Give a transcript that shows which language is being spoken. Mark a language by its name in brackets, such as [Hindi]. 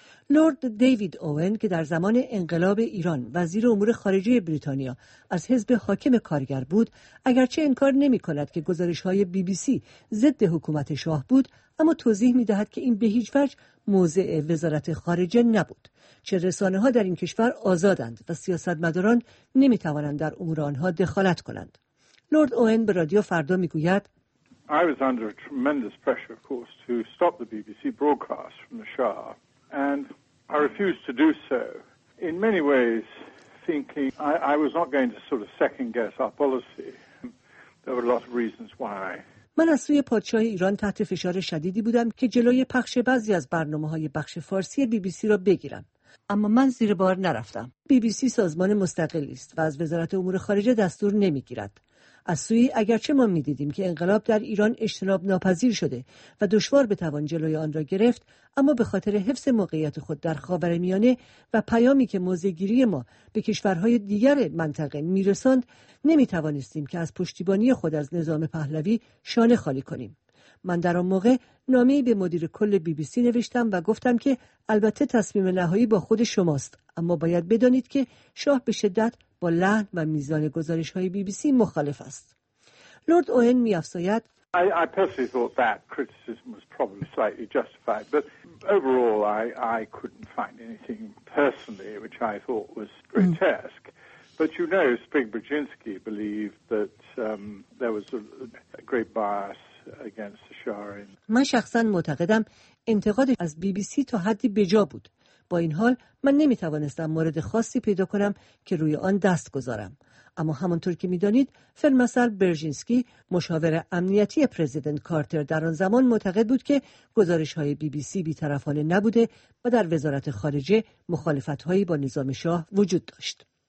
[Persian] لورد دیوید اوون که در زمان انقلاب ایران وزیر امور خارجه بریتانیا از حزب حاکم کارگر بود، اگرچه انکار نمی کند که گزارش های بی بی سی ضد حکومت شاه بود، اما توضیح می دهد که این به هیچ وجه موضع وزارت خارجه نبود. چه رسانه ها در این کشور آزادند و سیاستمداران نمی توانند در امور آنها دخالت کنند. لورد اوون به رادیو فردا می گوید: [English] I was under tremendous pressure, of course, to stop the BBC broadcast from the Shah, and I refused to do so. In many ways, thinking I was not going to sort of second guess our policy. There were lots of reasons why. [Persian] من از سوی پادشاه ایران تحت فشار شدیدی بودم که جلوی پخش بعضی از برنامه‌های بخش فارسی بی بی سی را بگیرم، اما من زیر بار نرفتم. بی بی سی سازمان مستقلی است و از وزارت امور خارجه دستور نمی‌گیرد. از سوی اگرچه ما می‌دیدیم که انقلاب در ایران اجتناب ناپذیر شده و دشوار بتوان جلوی آن را گرفت، اما به خاطر حفظ موقعیت خود در خاورمیانه و پیامی که موضع‌گیری ما به کشورهای دیگر منطقه می‌رساند، نمی‌توانستیم که از پشتیبانی خود از نظام پهلوی شانه خالی کنیم. من در آن موقع نامه‌ای به مدیر کل بی بی سی نوشتم و گفتم که البته تصمیم نهایی با خود شماست، اما باید بدانید که شاه به شدت با لحن و میزان گزارش‌های بی بی سی مخالف است. لورد اوون می‌افزاید: [English] I personally thought that criticism was probably slightly justified, but overall I couldn't find anything personally which I thought was grotesque. But you know, Spring Brzezinski believed that there was a great bias against the Shah. [Persian] من شخصاً معتقدم انتقاد از بی بی سی تا حدی بجا بود. با این حال من نمیتوانستم مورد خاصی پیدا کنم که روی آن دست گذارم. اما همانطور که میدانید، فیلمسل برژینسکی مشاور امنیتی پرزیدنت کارتر در آن زمان معتقد بود که گزارش های بی بی سی بی‌طرفانه نبوده و در وزارت خارجه مخالفت هایی با نظام شاه وجود داشت.